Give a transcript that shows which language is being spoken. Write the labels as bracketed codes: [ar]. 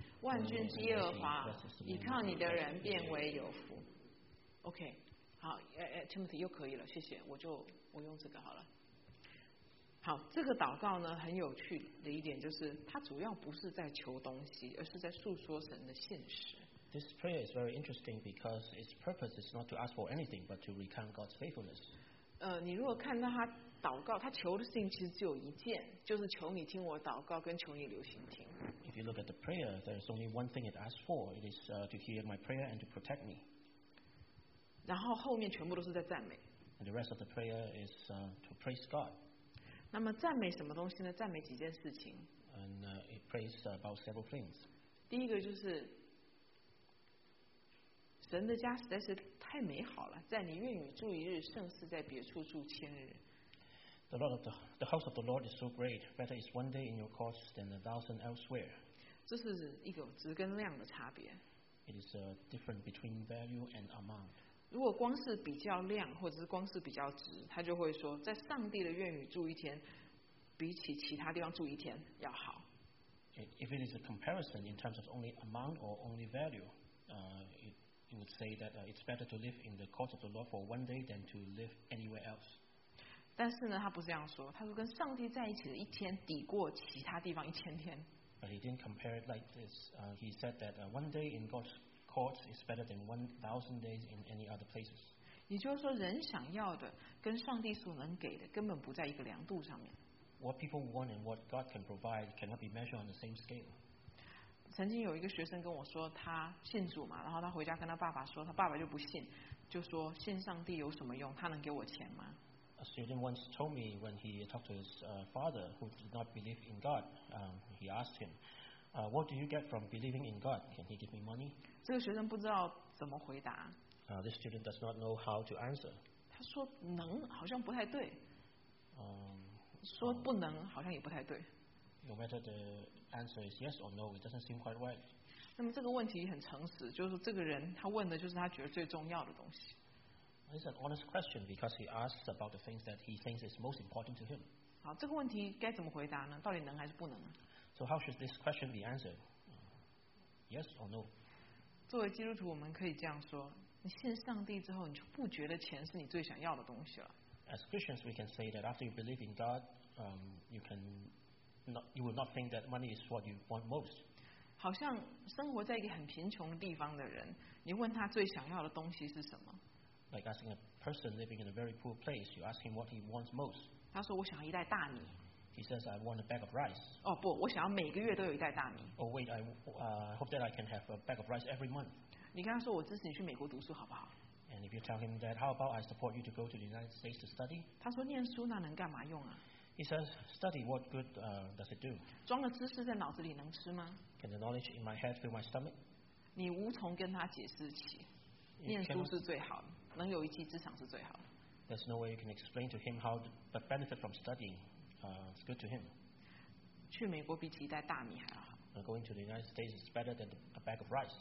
[zh] 万军之耶和华，倚靠你的人变为有福。 OK， 好，Timothy 又可以了，谢谢，我用这个好了。好，这个祷告呢很有趣的一点就是，它主要不是在求东西，而是在诉说神的信实。 [en] this prayer is very interesting because its purpose is not to ask for anything but to recount God's faithfulness. [zh] 你如果看到他祷告，他求的事情其实只有一件，就是求你听我祷告，跟求你留心听。 [en] If you look at the prayer, there's only one thing it asks for. It is to hear my prayer and to protect me. [zh] 然后后面全部都是在赞美。 [en] And the rest of the prayer is to praise God. [zh] 那么赞美什么东西呢？赞美几件事情。 [en] And it prays about several things. [zh] 第一个就是神的家实在是太美好了，在你院宇住一日，胜似在别处住千日。 [en] The Lord of the house of the Lord is so great, better is one day in your courts than a thousand elsewhere. [zh] 这是一个质跟量的差别。 [en] It is a difference between value and amount. [zh] 如果光是比较量，或者是光是比较质，他就会说，在上帝的院宇住一天，比起其他地方住一天要好。 [en] If it is a comparison in terms of only amount or only value, he would say that it's better to live in the court of the Lord for one day than to live anywhere else. [zh] 但是呢，他不是这样说。他说跟上帝在一起的一天抵过其他地方一千天。 [en] But he didn't compare it like this. He said that one day in God's court is better than 1,000 days in any other places. [zh] 也就是说，人想要的跟上帝所能给的根本不在一个量度上面。 [en] What people want and what God can provide cannot be measured on the same scale. [zh] 曾经有一个学生跟我说，他信主嘛，然后他回家跟他爸爸说，他爸爸就不信，就说信上帝有什么用？他能给我钱吗 [en] ？A student once told me when he talked to his father who did not believe in God, he asked him, "What do you get from believing in God? Can he give me money?" [zh] 这个学生不知道怎么回答。 [en] This student does not know how to answer. [zh] 他说能好像不太对。说不能好像也不太对。 [en] No matter the answer is yes or no, it doesn't seem quite right. [zh] 那么这个问题很诚实，就是这个人他问的就是他觉得最重要的东西。 [en] It's an honest question because he asks about the things that he thinks is most important to him. [zh] 好，这个问题该怎么回答呢？到底能还是不能呢 [en] ？So how should this question be answered? Yes or no? [zh] 作为基督徒，我们可以这样说：你信上帝之后，你就不觉得钱是你最想要的东西了。 [en] As Christians, we can say that after you believe in God, you can. You will not think that money is what you want most. [zh] 好像生活在一个很贫穷的地方的人，你问他最想要的东西是什么 [en] ？Like asking a person living in a very poor place, you ask him what he wants most. [zh] 他说我想要一袋大米。 [en] He says I want a bag of rice. [zh] 哦不，我想要每个月都有一袋大米。 [en] Oh wait, I hope that I can have a bag of rice every month. [zh] 你跟他说我支持你去美国读书好不好 [en] ？And if you tell him that, how about I support you to go to the United States to study? [zh] 他说念书那能干嘛用啊？ [en] He says, study, what good does it do? [zh] 装了知识在脑子里能吃吗 [en] Can the knowledge in my head fill my stomach? [zh] 你无从跟他解释起，念书是最好的，能有一技之长是最好的。 [en] There's no way you can explain to him how the benefit from studying is good to him. [zh] 去美国比起一袋大米还好。 [en] Going to the United States is better than a bag of rice.